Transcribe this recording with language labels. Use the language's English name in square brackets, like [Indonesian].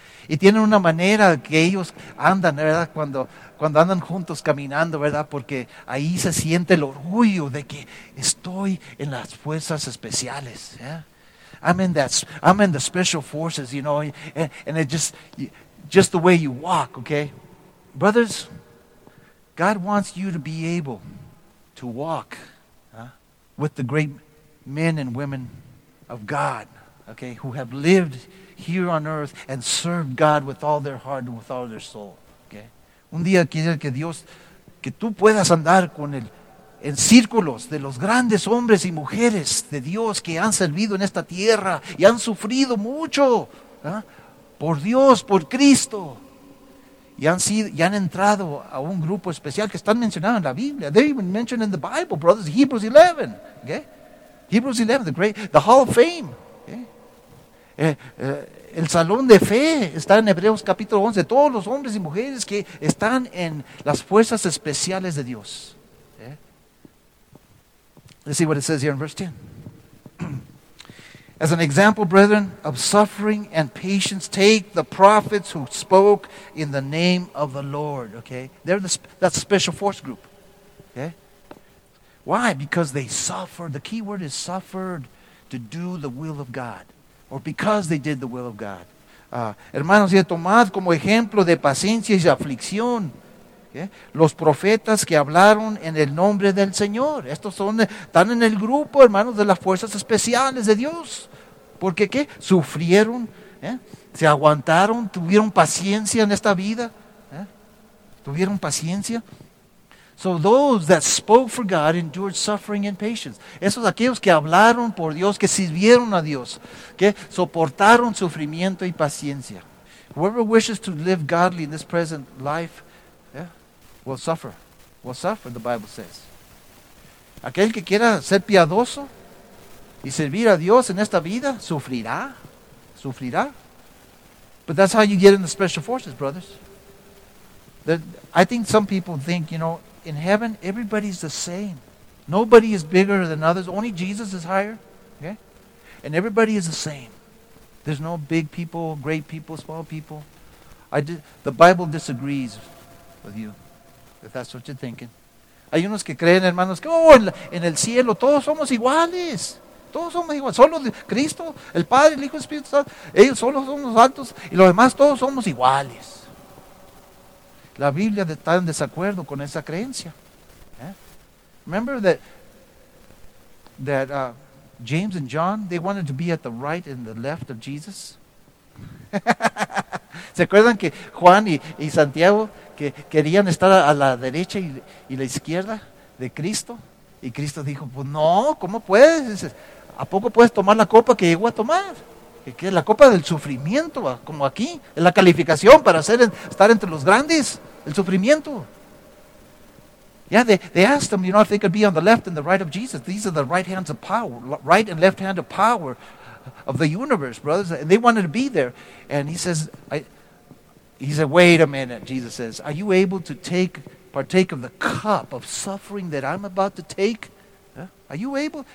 [Spanish] Y tienen una manera que ellos andan, ¿verdad? Cuando andan juntos caminando, ¿verdad? Porque ahí se siente el orgullo de que estoy en las fuerzas especiales. [English] Yeah? I'm in the special forces, you know. And it just the way you walk, okay? Brothers, God wants you to be able to walk with the great men and women of God, okay, who have lived here on earth and serve God with all their heart and with all their soul. Okay? [Spanish] Un día quiere que Dios, que tú puedas andar con él en círculos de los grandes hombres y mujeres de Dios que han servido en esta tierra y han sufrido mucho, ¿eh? Por Dios, por Cristo. Y han entrado a un grupo especial que están mencionados en la Biblia. [English] They're even mentioned in the Bible, brothers. Hebrews 11. Okay? Hebrews 11, the Hall of Fame. [Spanish] El salón de fe está en Hebreos capítulo 11. Todos los hombres y mujeres que están en las fuerzas especiales de Dios. Yeah. [English] Let's see what it says here in verse 10. As an example, brethren, of suffering and patience, take the prophets who spoke in the name of the Lord. Okay, they're that special force group. Okay, why? Because they suffered. The key word is suffered to do the will of God. Or because they did the will of God. [Spanish] Hermanos, y tomad como ejemplo de paciencia y aflicción, ¿eh? Los profetas que hablaron en el nombre del Señor. Estos están en el grupo, hermanos, de las fuerzas especiales de Dios. Porque, ¿qué? Sufrieron, ¿eh? Se aguantaron, tuvieron paciencia en esta vida. ¿Eh? Tuvieron paciencia. [English] So those that spoke for God endured suffering and patience. [Spanish] Esos aquellos que hablaron por Dios, que sirvieron a Dios, que soportaron sufrimiento y paciencia. [English] Whoever wishes to live godly in this present life, yeah, will suffer. Will suffer, the Bible says. [Spanish] Aquel que quiera ser piadoso y servir a Dios en esta vida, sufrirá. Sufrirá. [English] But that's how you get in the special forces, brothers. I think some people think, you know, in heaven, everybody's the same. Nobody is bigger than others. Only Jesus is higher. Okay? And everybody is the same. There's no big people, great people, small people. The Bible disagrees with you, if that's what you're thinking. [Spanish] Hay unos que creen, hermanos, que en el cielo todos somos iguales. Todos somos iguales. Solo Cristo, el Padre, el Hijo, el Espíritu Santo, ellos solo son los altos y los demás todos somos iguales. La Biblia está en desacuerdo con esa creencia. Yeah. [English] Remember that James and John, they wanted to be at the right and the left of Jesus. [Spanish] ¿Se acuerdan que Juan y Santiago que querían estar a la derecha y la izquierda de Cristo? Y Cristo dijo, pues no, ¿cómo puedes? ¿A poco puedes tomar la copa que llegó a tomar? Que es la copa del sufrimiento, como aquí, es la calificación para estar entre los grandes, el sufrimiento. [English] Yeah, they asked them, you know, if they could be on the left and the right of Jesus. These are the right hands of power, right and left hand of power of the universe, brothers. And they wanted to be there. And he said, wait a minute, Jesus says, are you able to partake of the cup of suffering that I'm about to take? Yeah? Are you able?